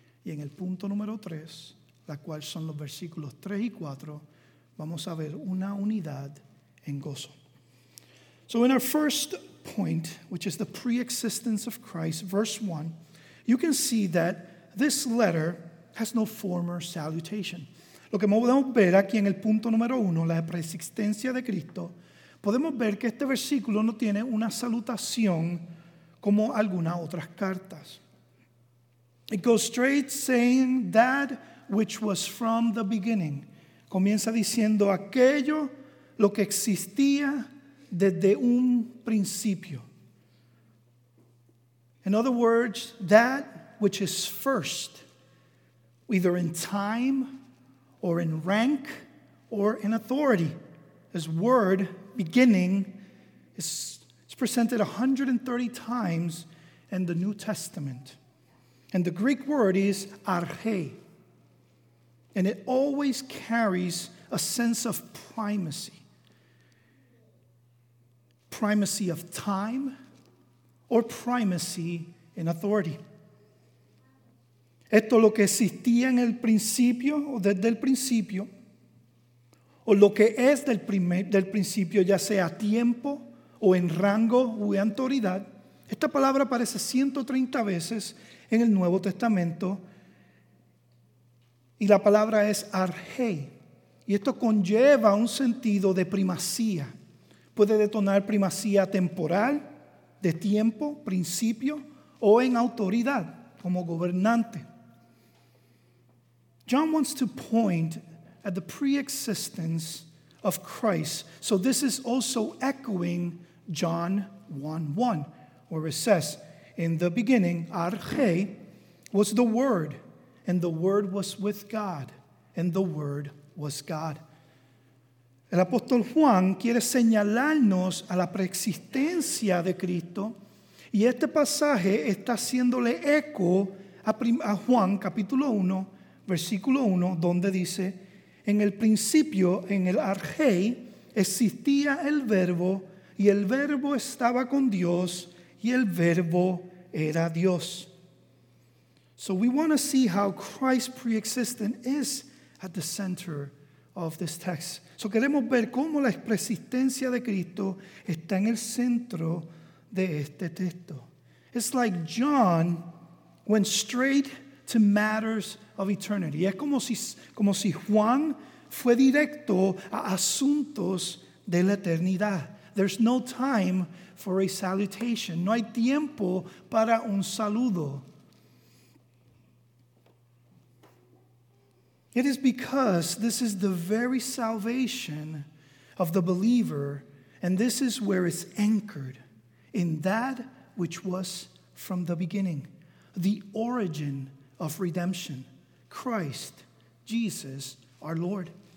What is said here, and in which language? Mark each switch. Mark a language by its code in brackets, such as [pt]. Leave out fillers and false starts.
[es] Y en el punto número 3, la cual son los versículos 3 y 4, vamos a ver una unidad en gozo. [en] So in our first point, which is the pre-existence of Christ, verse 1, you can see that this letter has no former salutation. [es] Lo que podemos ver aquí en el punto número 1, la preexistencia de Cristo, podemos ver que este versículo no tiene una salutación como algunas otras cartas. [en] It goes straight saying that which was from the beginning. [es] Comienza diciendo aquello lo que existía desde un principio. [en] In other words, that which is first, either in time or in rank or in authority. This word, beginning, is presented 130 times in the New Testament. And the Greek word is arche. And it always carries a sense of primacy. Primacy of time or primacy in authority. [es] Esto lo que existía en el principio o desde el principio o lo que es del principio, ya sea tiempo o en rango o en autoridad. Esta palabra aparece 130 veces en el Nuevo Testamento y la palabra es arche. Y esto conlleva un sentido de primacía. Puede detonar primacía temporal, de tiempo, principio o en autoridad como gobernante. [en] John wants to point at the pre-existence of Christ. So this is also echoing John 1:1, where it says, in the beginning, arche was the Word, and the Word was with God, and the Word was God. [es] El apóstol Juan quiere señalarnos a la preexistencia de Cristo, y este pasaje está haciéndole eco a Juan capítulo 1, versículo 1, donde dice, en el principio, en el arche, existía el Verbo, y el Verbo estaba con Dios, y el Verbo era Dios. [en] So we want to see how Christ preexistent is at the center of this text. [es] So queremos ver cómo la preexistencia de Cristo está en el centro de este texto. [en] It's like John went straight to matters of eternity. [es] Es como si Juan fue directo a asuntos de la eternidad. [en] There's no time for a salutation. [es] No hay tiempo para un saludo. [en] It is because this is the very salvation of the believer, and this is where it's anchored, in that which was from the beginning, the origin of redemption, Christ Jesus our Lord.